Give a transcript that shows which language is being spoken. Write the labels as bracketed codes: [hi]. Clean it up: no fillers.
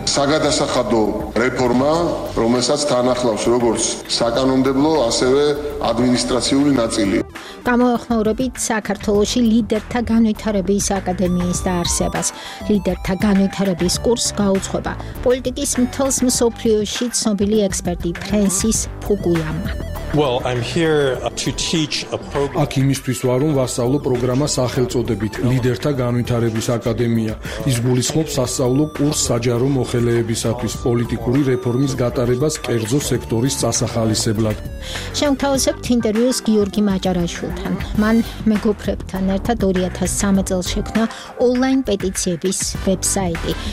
[ka] საგადასახადო რეფორმა, რომელსაც თან ახლავს როგორც საკანონმდებლო, ასევე ადმინისტრაციული ნაწილი. გამოეხმაურებით საქართველოში ლიდერთა განვითარების აკადემიის დაარსებას. ლიდერთა განვითარების კურს გაუძღვება პოლიტიკის მთელს მსოფლიოში ცნობილი ექსპერტი ფრენსის ფუკუიამა. [en] Well, I'm here to teach a program. [ka] აქ იმისთვის ვარ, რომ ვასწავლო პროგრამა სახელწოდებით ლიდერთა განვითარების აკადემია. ის გულისხმობს სასწავლო კურს საჯარო მოხელეებისათვის პოლიტიკური რეფორმის გატარებას კერძო სექტორის წასახალისებლად. შემთხვევით ინტერვიუს გიორგი მაჭარაშვილთან. მან მეგობრებთან ერთად 2013 წელს შექმნა ონლაინ პეტიციების ვებსაიტი.